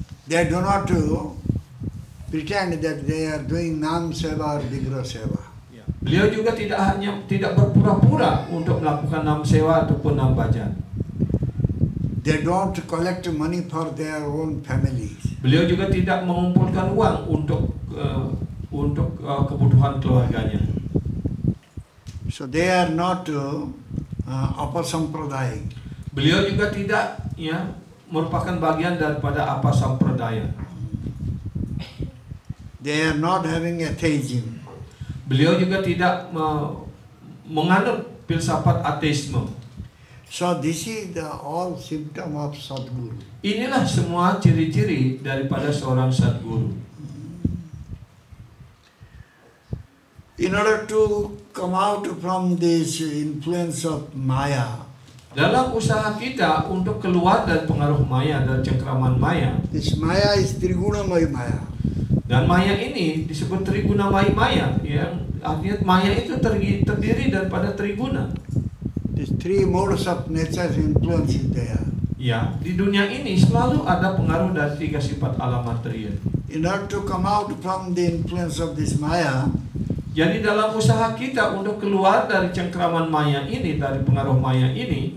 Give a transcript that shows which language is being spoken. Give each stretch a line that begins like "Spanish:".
English: They do not to pretend that they are doing nam seva or vigra seva. Yeah.
Indonesian: Beliau juga tidak hanya tidak berpura-pura untuk melakukan nam sewa ataupun nam bajan.
English: They don't collect money for their own families.
Indonesian: Beliau juga tidak mengumpulkan uang untuk kebutuhan keluarganya.
English: So they are not apa sampradaya.
Indonesian: Beliau juga tidak ya merupakan bagian daripada apa sampradaya.
English: They are not having atheism.
Indonesian: Beliau juga tidak menganut filsafat ateisme.
English: So this is the all symptom of Sadguru.
Indonesian: Inilah semua ciri-ciri daripada seorang Sadguru.
English: In order to come out from this influence of Maya.
Indonesian: Dalam usaha kita untuk keluar dari pengaruh Maya dan cengkraman Maya.
English: This Maya is Trigunamayi Maya.
Indonesian: Dan Maya ini disebut Trigunamayi Maya. Ya, artinya Maya itu terdiri daripada Triguna.
English: These three modes of nature influence there.
Indonesian: Ya, di dunia ini selalu ada pengaruh dari tiga sifat alam material.
English: In order to come out from the influence of this Maya.
Indonesian: Jadi dalam usaha kita untuk keluar dari cengkraman Maya ini, dari pengaruh Maya ini,